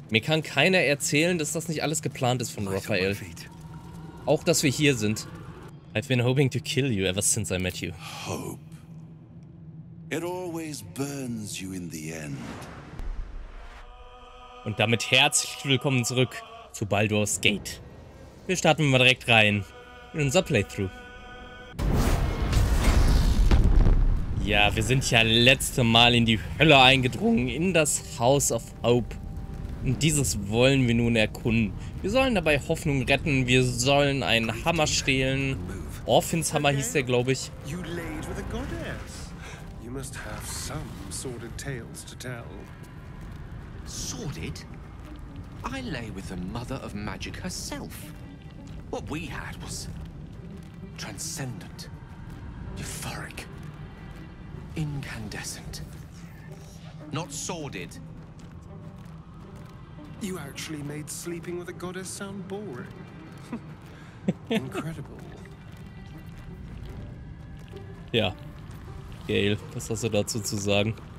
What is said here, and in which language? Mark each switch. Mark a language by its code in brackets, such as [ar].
[de] Mir kann keiner erzählen, dass das nicht alles geplant ist von Raphael. Auch, dass wir hier sind. [en] I've been hoping to kill you ever since I met you. Hope. It always burns you in the end. [de] Und damit herzlich willkommen zurück zu Baldur's Gate. Wir starten mal direkt rein in unser Playthrough. Ja, wir sind ja letzte Mal in die Hölle eingedrungen, in das House of Hope. Und dieses wollen wir nun erkunden. Wir sollen dabei Hoffnung retten, wir sollen einen Hammer stehlen. Orphans Hammer hieß der, glaube ich. [en] You laid with a goddess. You must have some sordid tales to tell. Sordid? I lay with the mother of magic herself. What we had was transcendent, euphoric, incandescent, not sordid. You actually made sleeping with a goddess sound boring. Incredible. [de] Ja, Gail, was hast du dazu zu sagen?